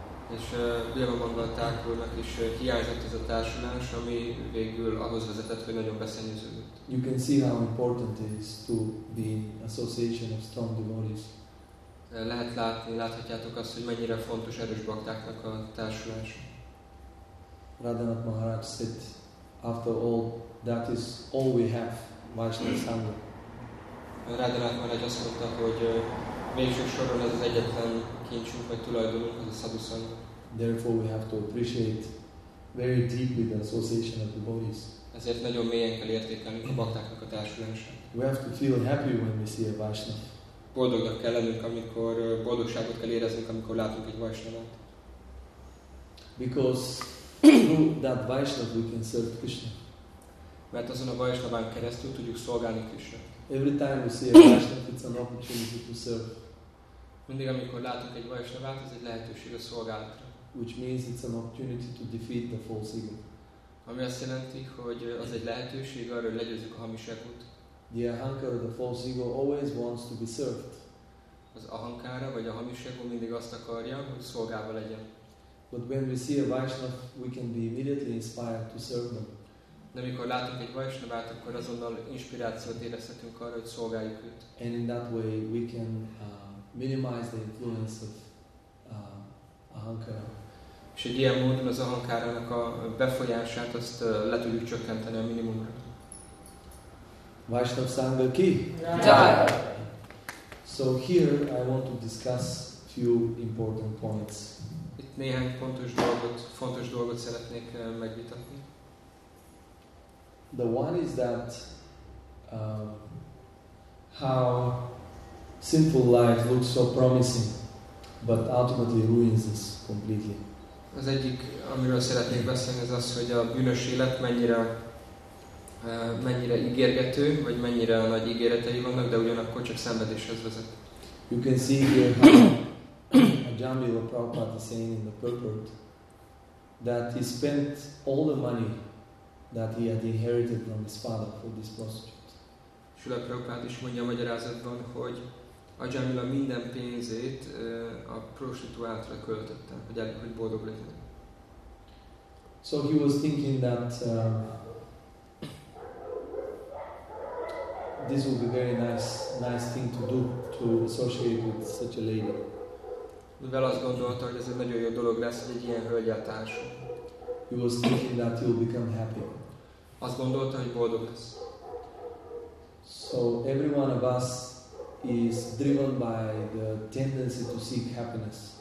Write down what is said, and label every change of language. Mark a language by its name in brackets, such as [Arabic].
[Hungarian] És Bilbo Mangal Thakurnak is hiányzott ez a társulás, ami végül ahhoz vezetett, hogy nagyon beszennyeződött. [English] You can see how important it is to be in association of strong devotees. [Hungarian] Lehet látni, láthatjátok azt, hogy mennyire fontos erős baktáknak a társulás. [English] Radhanath Maharaj said, after all, that is all we have, Vaishnava Sangha. [Hungarian] Radhanath Maharaj azt mondta, hogy végső soron ez az egyetlen kincsünk, vagy tulajdonunk, az a Sadhu Sangha. [English] Therefore we have to appreciate very deeply the association of the devotees. [Hungarian] Ezért nagyon mélyen kell értékelnünk a baktáknak a társulását. [English] We have to feel happy when we see a Vaishnava. [Hungarian] Boldognak kell lennünk, amikor boldogságot kell éreznünk, amikor látunk egy Vaishnavát. [English] Because that Vaishnava we can serve Krishna. [Hungarian] Mert azon a Vaishnaván keresztül tudjuk szolgálni Krishna. [English] Every time we see a Vaishnava, it's an opportunity to serve. [Hungarian] Mindig amikor látunk egy Vaishnavát, ez egy lehetőség a szolgálatra. [English] Which means it's an opportunity to defeat the false ego. [Hungarian] Ami azt jelenti, hogy az egy lehetőség arra, hogy legyőzzük a hamis egót. [English] The ahankara, the false ego, always wants to be served. [Hungarian] Az ahankara vagy a hamis ego mindig azt akarja, hogy szolgálva legyen. [English] But when we see a Vaishnav, we can be immediately inspired to serve them. [Hungarian] De amikor látunk egy Vaishnavát, akkor azonnal inspirációt érezhetünk arra, hogy szolgáljuk őt. [English] And in that way we can minimize the influence of ahankara. [Hungarian] És egy ilyen módon az ahankárának a befolyását azt le tudjuk csökkenteni a minimumra. [Hindi] Vaishnav Sangha ki? Jai! [English] So here I want to discuss few important points. [Hungarian] Néhány fontos dolgot szeretnék megvitatni. [English] The one is that how sinful life looks so promising, but ultimately ruins us completely. [Hungarian] Az egyik, amiről szeretnék beszélni, az az, hogy a bűnös élet mennyire ígérgető, vagy mennyire nagy ígéretei vannak, de ugyanakkor csak szenvedéshez vezet. [English] You can see here how Ajamila Prabhupada is saying in the purport that he spent all the money that he had inherited from his father for this prostitute. [Hungarian] Srila Prabhupada is mondja a magyarázatban, hogy Ajamila minden pénzét a prostituáltra költötte, hogy boldog legyen. [English] So he was thinking that this would be very nice thing to do, to associate with such a lady. [Hungarian] Mivel azt gondolta, hogy ez egy nagyon jó dolog lesz, hogy egy ilyen hölgyel társul. [English] He was thinking that he will become happy. [Hungarian] Azt gondolta, hogy boldog lesz. [English] So every one of us is driven by the tendency to seek happiness.